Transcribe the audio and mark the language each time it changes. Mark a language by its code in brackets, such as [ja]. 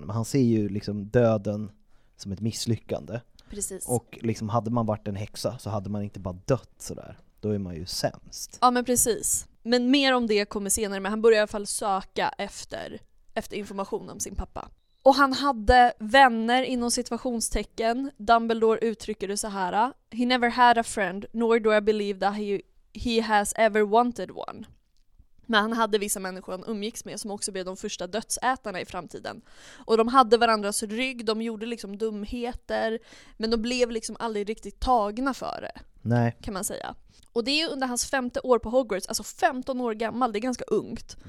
[sv] Men han ser ju liksom döden som ett misslyckande. Precis. Och liksom hade man varit en häxa så hade man inte bara dött så där. Då är man ju sämst. Ja, men precis. Men mer om det kommer senare, men han börjar i alla fall söka efter information om sin pappa. Och han hade vänner inom situationstecken. Dumbledore uttrycker det så här: [en] "He never had a friend, nor do I believe that he has ever wanted one." [sv] Men han hade vissa människor han umgicks med som också blev de första dödsätarna i framtiden. Och de hade varandras rygg, de gjorde liksom dumheter, men de blev liksom aldrig riktigt tagna för det. Nej. Kan man säga. Och det är under hans femte år på Hogwarts, alltså 15 år gammal, det är ganska ungt.